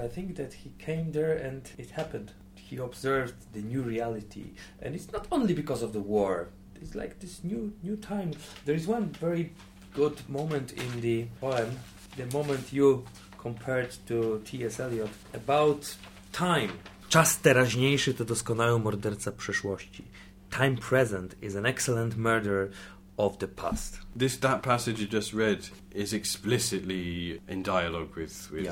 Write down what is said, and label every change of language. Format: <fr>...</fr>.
<en>I think that he came there and it happened. He observed the new reality. And it's not only because of the war. It's like this new time. There is one very good moment in the poem, the moment you compared to T.S. Eliot, about time.</en> <pl>Czas teraźniejszy to doskonały morderca przeszłości.</pl> <en>Time present is an excellent murderer of the past. That passage you just read is explicitly in dialogue with</en>